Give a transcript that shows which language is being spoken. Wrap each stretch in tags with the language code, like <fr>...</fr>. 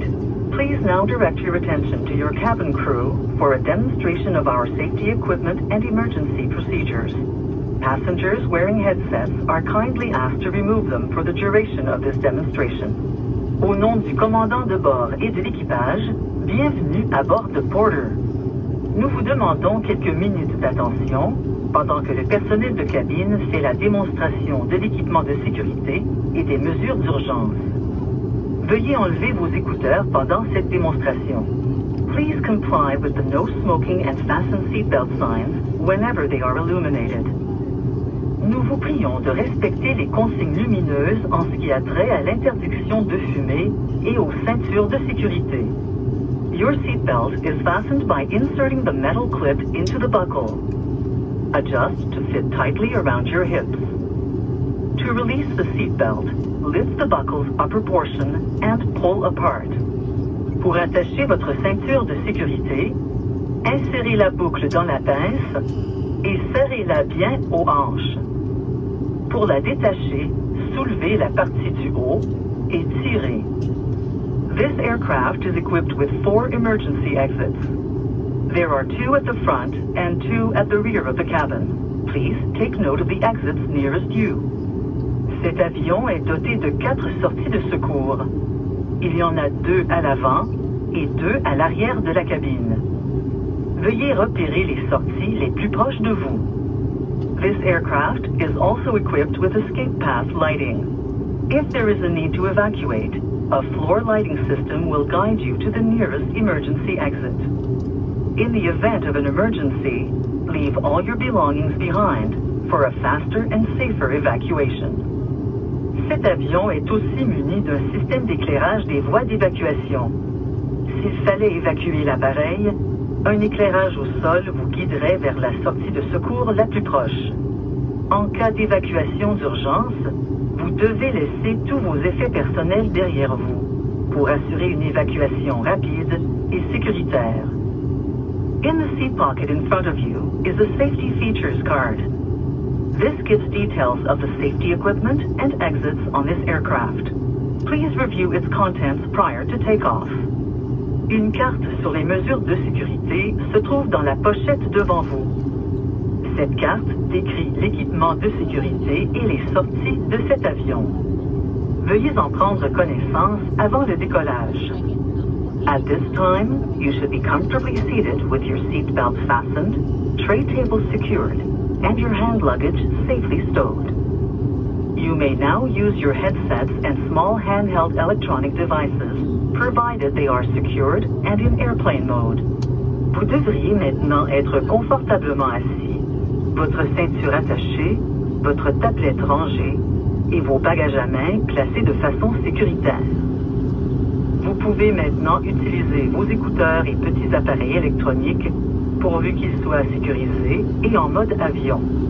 <en>Please now direct your attention to your cabin crew for a demonstration of our safety equipment and emergency procedures. Passengers wearing headsets are kindly asked to remove them for the duration of this demonstration.</en> <fr>Au nom du commandant de bord et de l'équipage, bienvenue à bord de Porter. Nous vous demandons quelques minutes d'attention pendant que le personnel de cabine fait la démonstration de l'équipement de sécurité et des mesures d'urgence. Veuillez enlever vos écouteurs pendant cette démonstration.</fr> <en>Please comply with the no smoking and fasten seatbelt signs whenever they are illuminated.</en> <fr>Nous vous prions de respecter les consignes lumineuses en ce qui a trait à l'interdiction de fumer et aux ceintures de sécurité.</fr> <en>Your seatbelt is fastened by inserting the metal clip into the buckle. Adjust to fit tightly around your hips. To release the seatbelt, lift the buckle's upper portion and pull apart.</en> <fr>Pour attacher votre ceinture de sécurité, insérez la boucle dans la pince et serrez-la bien aux hanches. Pour la détacher, soulevez la partie du haut et tirez.</fr> <en>This aircraft is equipped with 4 emergency exits. There are 2 at the front and 2 at the rear of the cabin. Please take note of the exits nearest you.</en> <fr>Cet avion est doté de 4 sorties de secours. Il y en a 2 à l'avant et 2 à l'arrière de la cabine. Veuillez repérer les sorties les plus proches de vous.</fr> <en>This aircraft is also equipped with escape path lighting. If there is a need to evacuate, a floor lighting system will guide you to the nearest emergency exit. In the event of an emergency, leave all your belongings behind for a faster and safer evacuation.</en> <fr>Cet avion est aussi muni d'un système d'éclairage des voies d'évacuation. S'il fallait évacuer l'appareil, un éclairage au sol vous guiderait vers la sortie de secours la plus proche. En cas d'évacuation d'urgence, vous devez laisser tous vos effets personnels derrière vous pour assurer une évacuation rapide et sécuritaire.</fr> <en>In the seat pocket in front of you is a safety features card. This gives details of the safety equipment and exits on this aircraft. Please review its contents prior to takeoff.</en> <fr>Une carte sur les mesures de sécurité se trouve dans la pochette devant vous. Cette carte décrit l'équipement de sécurité et les sorties de cet avion. Veuillez en prendre connaissance avant le décollage.</fr> <en>At this time, you should be comfortably seated with your seat belt fastened, tray table secured, and your hand luggage safely stowed. You may now use your headsets and small handheld electronic devices, provided they are secured and in airplane mode.</en> <fr>Vous devriez maintenant être confortablement assis, votre ceinture attachée, votre tablette rangée, et vos bagages à main placés de façon sécuritaire. Vous pouvez maintenant utiliser vos écouteurs et petits appareils électroniques pourvu qu'ils soient sécurisés et en mode avion.</fr>